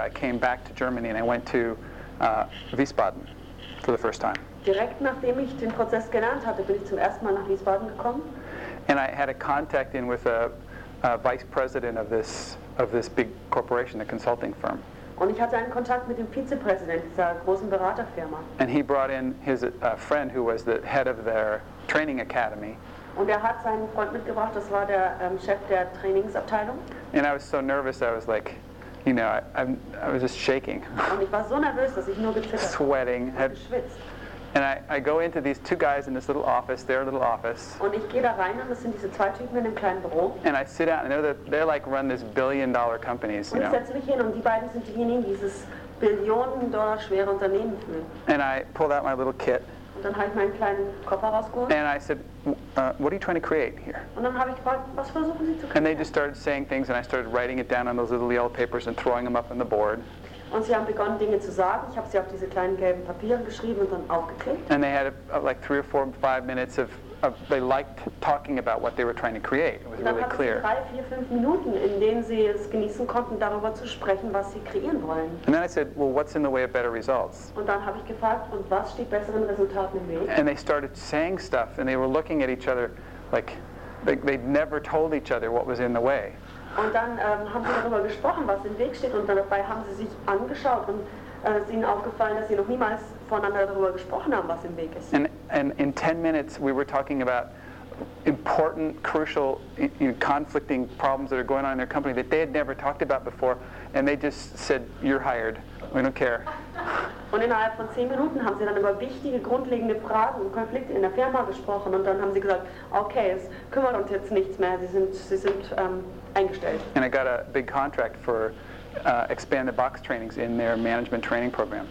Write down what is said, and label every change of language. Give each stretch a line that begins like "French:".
English: I came back to Germany and I went to Wiesbaden for the first time.
German: Direkt nachdem ich den Prozess gelernt hatte, bin ich zum ersten Mal nach Wiesbaden gekommen.
English: And I had a contact in with a vice president of this big corporation, the consulting firm.
German: Und ich hatte einen Kontakt mit dem Vizepräsidenten dieser großen Beraterfirma.
English: And he brought in his friend who was the head of their training academy.
German: Und hat seinen Freund mitgebracht, das war der Chef der Trainingsabteilung.
English: And I was so nervous, I was like, you know, I was just shaking.
German: Und ich war so nervös, dass ich nur gezittert.
English: Sweating.
German: Und geschwitzt.
English: And I go into these two guys in this little office, their little office.
German: Und ich gehe da rein und das sind diese zwei Typen in einem kleinen Büro.
English: And I sit out and they're like run this billion-dollar companies, you know.
German: Und ich setze mich hin und die beiden sind diejenigen, die dieses Billionen-Dollar schwere Unternehmen führen.
English: And I pulled out my little kit.
German: Und dann habe ich meinen kleinen Koffer rausgeholt.
English: And I said, what are you trying to create here?
German: Und dann habe ich gefragt, was versuchen Sie zu kreieren?
English: And they just started saying things and I started writing it down on those little yellow papers and throwing them up on the board.
German: Und sie haben begonnen, Dinge zu sagen. Ich habe sie auf diese kleinen gelben Papiere geschrieben und dann aufgeklebt.
English: And they had like 3 or 4 or 5 minutes of they liked talking about what they were trying to create. It was really clear.
German: Und dann hatten sie 3, 4, 5 Minuten, in denen sie es genießen konnten, darüber zu sprechen, was sie kreieren wollen.
English: And then I said, well, what's in the way of better results?
German: Und dann habe ich gefragt, und was steht besseren Resultaten im Weg?
English: And they started saying stuff, and they were looking at each other like they'd never told each other what was in the way.
German: Und dann haben sie darüber gesprochen, was im Weg steht, und dabei haben sie sich angeschaut und es ist ihnen aufgefallen, dass sie noch niemals voneinander darüber gesprochen haben, was im Weg ist.
English: And in 10 minutes we were talking about important, crucial, conflicting problems that are going on in their company that they had never talked about before, and they just said, you're hired, we don't care.
German: Und innerhalb von 10 Minuten haben sie dann über wichtige, grundlegende Fragen und Konflikte in der Firma gesprochen, und dann haben sie gesagt, okay, es kümmert uns jetzt nichts mehr, sie sind eingestellt.
English: And I got a big contract for Expand the Box trainings in their management training program.